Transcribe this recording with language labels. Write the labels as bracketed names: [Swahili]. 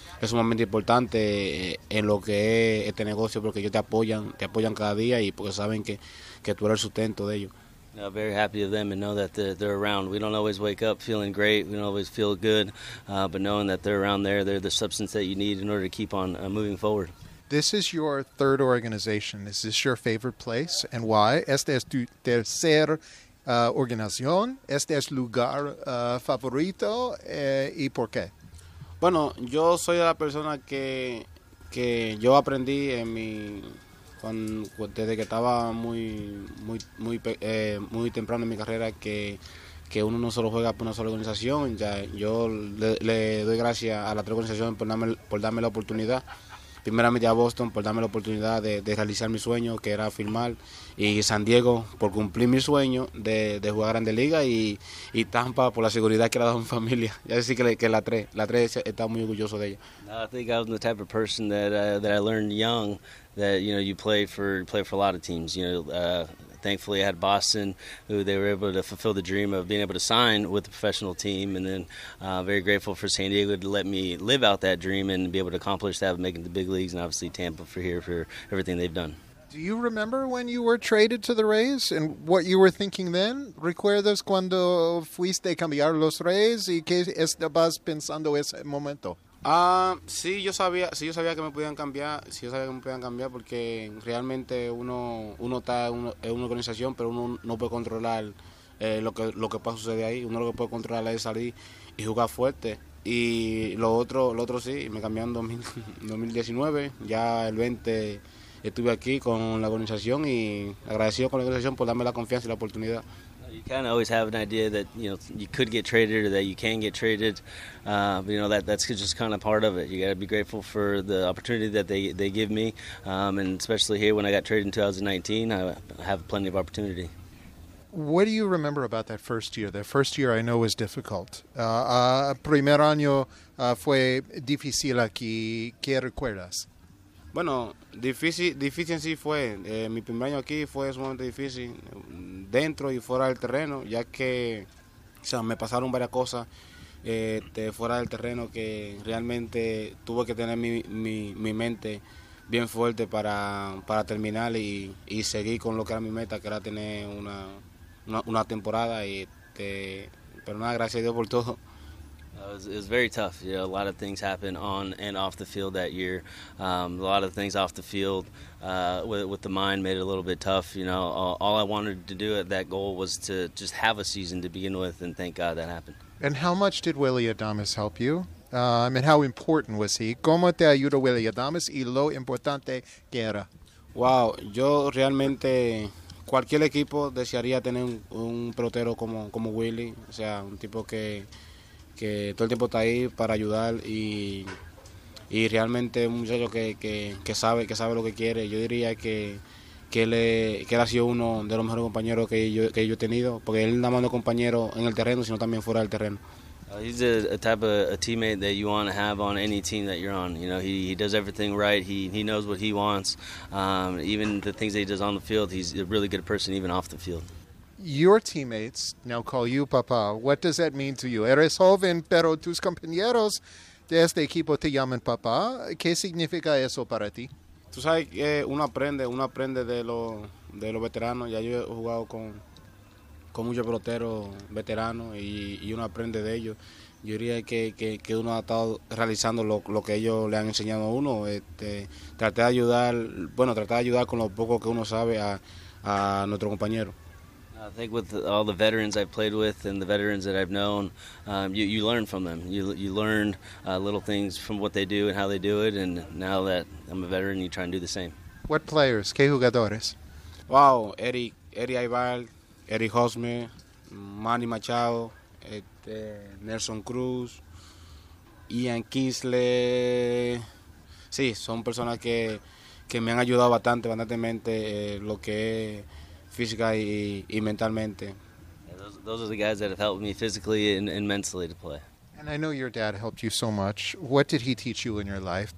[Spanish] es sumamente importante en lo que es este negocio, porque ellos te apoyan cada día y porque saben que tú eres el sustento de ellos. [English] I'm very happy of them and know that they're around. We don't always wake up feeling great. We don't always feel good, but knowing that they're around there, they're the substance that you need in order to keep on moving forward. This is your third organization. Is this your favorite place and why? [Spanish] Esta es tu tercer organización. Este es lugar favorito y por qué? Bueno, yo soy la persona que yo aprendí en mi desde que estaba muy temprano en mi carrera que uno no solo juega por una sola organización. Ya yo le doy gracias a las tres organizaciones por darme la oportunidad. Primeramente a Boston por darme la oportunidad de realizar mi sueño, que era firmar, y San Diego por cumplir mi sueño de jugar a Grandes Ligas, y Tampa por la seguridad que le ha dado mi familia. Ya decir que la tres está muy orgulloso de ella. [English] No, I think I was the type of person that I learned young that, you know, you play for a lot of teams. You know, thankfully I had Boston, who they were able to fulfill the dream of being able to sign with a professional team, and then very grateful for San Diego to let me live out that dream and be able to accomplish that, making the big leagues, and obviously Tampa for here for everything they've done. Do you remember when you were traded to the Rays and what you were thinking then? [Spanish] ¿Recuerdas cuando fuiste a cambiar los Rays y qué estabas pensando ese momento? Sí, yo sabía que me podían cambiar, porque realmente uno está en una organización, pero uno no puede controlar lo que pasa sucede ahí. Uno lo que puede controlar es salir y jugar fuerte. Y lo otro sí, me cambiaron en 2019, ya el 20 estuve aquí con la organización y agradecido con la organización por darme la confianza y la oportunidad. [English] You kind of always have an idea that, you know, you could get traded or that you can get traded. But, you know, that's just kind of part of it. You got to be grateful for the opportunity that they give me. And especially here when I got traded in 2019, I have plenty of opportunity. What do you remember about that first year? That first year I know was difficult. [Spanish] Primer año fue difícil aquí. ¿Qué recuerdas? Bueno, difícil en sí fue. Mi primer año aquí fue sumamente difícil, dentro y fuera del terreno, ya que, o sea, me pasaron varias cosas fuera del terreno que realmente tuve que tener mi mente bien fuerte para terminar y seguir con lo que era mi meta, que era tener una temporada. Pero nada, gracias a Dios por todo. [English] It was very tough. You know, a lot of things happened on and off the field that year. A lot of things off the field with the mind made it a little bit tough. You know, all I wanted to do at that goal was to just have a season to begin with, and thank God that happened. And how much did Willie Adames help you? And how important was he? [Spanish] ¿Cómo te ayudó Willie Adames y lo importante que era? Wow, yo realmente cualquier equipo desearía tener un pelotero como Willie, o sea, un tipo que todo el tiempo está ahí para ayudar y realmente un muchacho que sabe lo que quiere. Yo diría que él ha sido uno de los mejores compañeros que yo he tenido, porque él no es un compañero en el terreno, sino también fuera del terreno. [English] He's a type of a teammate that you want to have on any team that you're on. You know, he does everything right. He knows what he wants. Even the things that he does on the field, he's a really good person even off the field. Your teammates now call you papá. What does that mean to you? [Spanish] Eres joven, pero tus compañeros de este equipo te llaman papá. ¿Qué significa eso para ti? Tú sabes que uno aprende de los veteranos. Ya yo he jugado con muchos peloteros veteranos y uno aprende de ellos. Yo diría que uno ha estado realizando lo que ellos le han enseñado a uno. Traté de ayudar con lo poco que uno sabe a nuestro compañero. [English] I think with all the veterans I've played with and the veterans that I've known, you learn from them. You learn little things from what they do and how they do it. And now that I'm a veteran, you try and do the same. What players? [Spanish] ¿Qué jugadores? Wow, Eddie Aybar, Eddie Hosmer, Manny Machado, Nelson Cruz, Ian Kinsler. Sí, son personas que me han ayudado bastante lo que es física y mentalmente. [English] Yeah, those are the guys that have helped me physically and mentally to play. And I know your dad helped you so much. What did he teach you in your life?